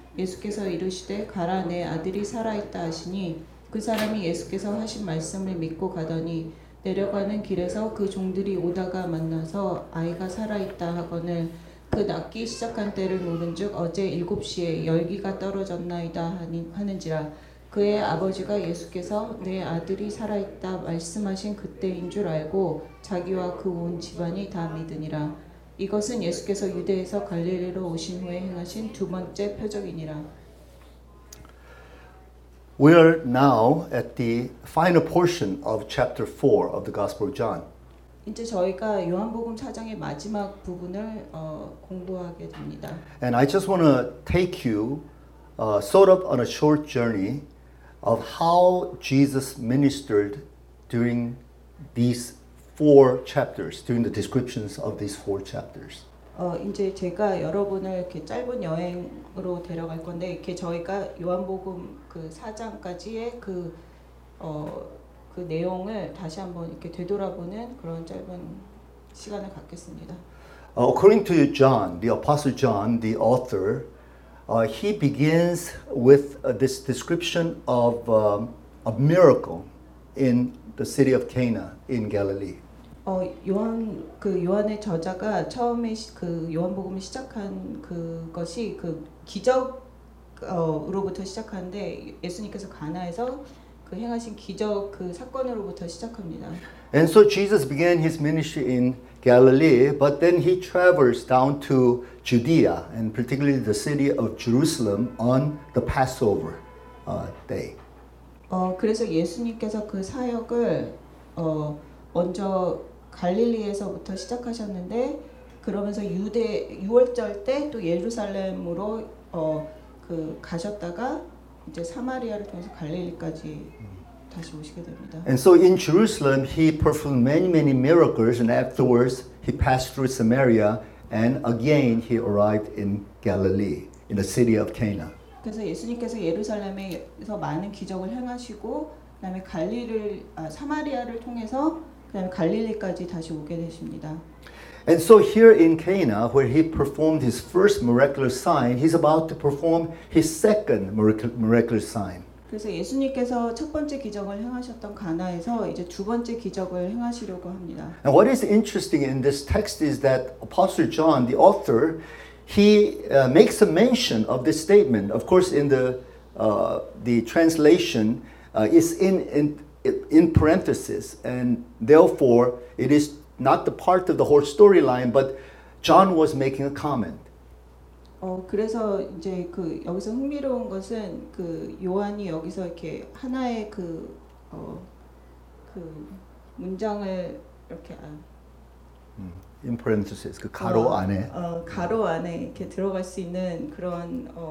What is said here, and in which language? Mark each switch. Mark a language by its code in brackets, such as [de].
[ko] 예수께서 이르시되 가라 내 아들이 살아있다 하시니 그 사람이 예수께서 하신 말씀을 믿고 가더니 내려가는 길에서 그 종들이 오다가 만나서 아이가 살아있다 하거늘 그 낫기 시작한 때를 모른 즉 어제 7시에 열기가 떨어졌나이다 하는지라. 그의 아버지가 예수께서 내 아들이 살아있다 말씀하신 그때인 줄 알고 자기와 그 온 집안이 다 믿으니라. 이것은 예수께서 유대에서 갈릴리로 오신 후에 행하신 두 번째 표적이니라. [en] We are now at the final portion of chapter 4 of the Gospel of John. [ko] 이제 저희가 요한복음 4장의 마지막 부분을 공부하게 됩니다. [en] And I just want to take you sort of on a short journey of how Jesus ministered during these four chapters, during the descriptions of these four chapters. [ko] 이제 제가 여러분을 이렇게 짧은 여행으로 데려갈 건데 이렇게 저희가 요한복음 그 4장까지의 그 내용을 다시 한번 이렇게 되돌아보는 그런 짧은 시간을 갖겠습니다. [en] According to John, the Apostle John, the author, he begins with this description of a miracle in the city of Cana in Galilee. [ko] 요한의 저자가 처음에 그 요한복음을 시작한 그것이 그 기적 기적으로부터 시작하는데 예수님께서 가나에서 그 행하신 기적 그 사건으로부터 시작합니다. [en] And so Jesus began his ministry in Galilee, but then he travels down to Judea and particularly the city of Jerusalem on the Passover day. [ko] 그래서 예수님께서 그 사역을 먼저 갈릴리에서부터 시작하셨는데 그러면서 유대 유월절 때 또 예루살렘으로 그 가셨다가 이제 사마리아를 통해서 갈릴리까지 다시 오시게 됩니다. [en] And so in Jerusalem he performed many many miracles and afterwards he passed through Samaria and again he arrived in Galilee in the city of Cana. [ko] 그래서 예수님께서 예루살렘에서 많은 기적을 행하시고 그다음에 갈릴리를 사마리아를 통해서 그다음에 갈릴리까지 다시 오게 되십니다. [en] And so here in Cana, where he performed his first miraculous sign, he's about to perform his second miraculous sign. [ko] 그래서 예수님께서 첫 번째 기적을 행하셨던 가나에서 이제 두 번째 기적을 행하시려고 합니다. [en] And what is interesting in this text is that Apostle John, the author, he makes a mention of this statement. Of course, in the translation, it's in parentheses, and therefore it is not the part of the whole storyline, but John was making a comment. [ko] 그래서 이제 그 여기서 흥미로운 것은 그 요한이 여기서 이렇게 하나의 그 그 문장을 이렇게 [en] In parentheses, [ko] 그 가로 안에. 가로 안에 이렇게 들어갈 수 있는 그런